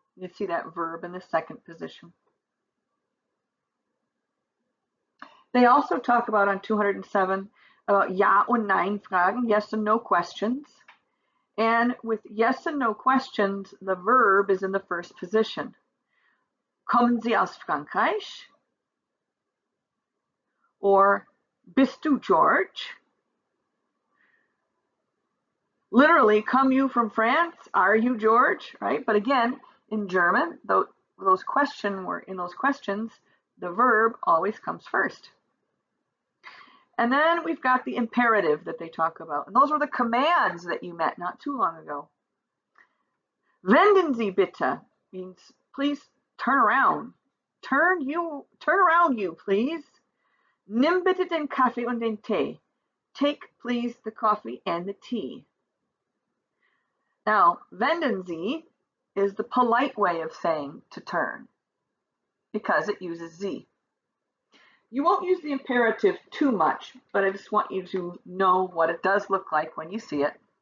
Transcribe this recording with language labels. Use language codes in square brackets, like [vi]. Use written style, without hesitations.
[en] You see that verb in the second position. They also talk about on 207 about [de] ja und nein fragen, [en] yes and no questions. And with yes and no questions, the verb is in the first position. [de] Kommen Sie aus Frankreich? Or, bist du George? [en] Literally, come you from France? Are you George? Right? But again, in German, those questions, the verb always comes first. And then we've got the imperative that they talk about. And those were the commands that you met not too long ago. [de] Wenden Sie bitte [en] means please turn around. Turn around you, please. [de] Nimm bitte den Kaffee und den Tee. [en] Take please the coffee and the tea. Now, [de] wenden Sie [en] is the polite way of saying to turn because it uses Sie. You won't use the imperative too much, but I just want you to know what it does look like when you see it.